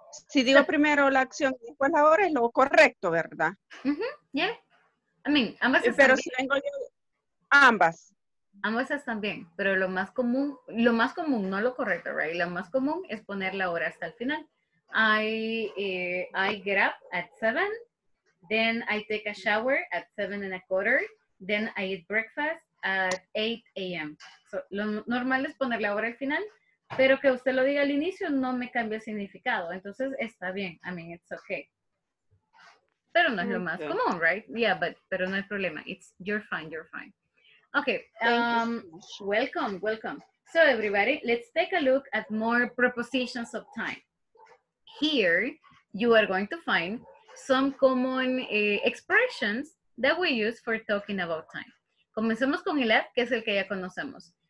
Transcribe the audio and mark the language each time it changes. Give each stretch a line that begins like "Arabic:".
Spanish: Si digo primero la acción y después la hora es lo correcto, ¿verdad?
English: Mm-hmm. Yeah. I mean, ambas
Spanish: pero están bien. Si tengo yo, ambas. Ambas están bien, pero lo más común, no lo correcto, right? Lo más común es poner la hora hasta el final.
English: I get up at 7, then I take a shower at 7:15, then I eat breakfast at 8 a.m.
Spanish: So, lo normal es poner la hora al final, pero que usted lo diga al inicio no me cambia el significado. Entonces, está bien.
English: I mean, it's okay.
Spanish: Pero no es lo más común, right?
English: Yeah,
Spanish: pero no hay problema.
English: You're fine. Okay. Welcome. So, everybody, let's take a look at more prepositions of time. Here, you are going to find some common expressions that we use for talking about time.
Spanish: Comencemos con el at, que es el que ya conocemos.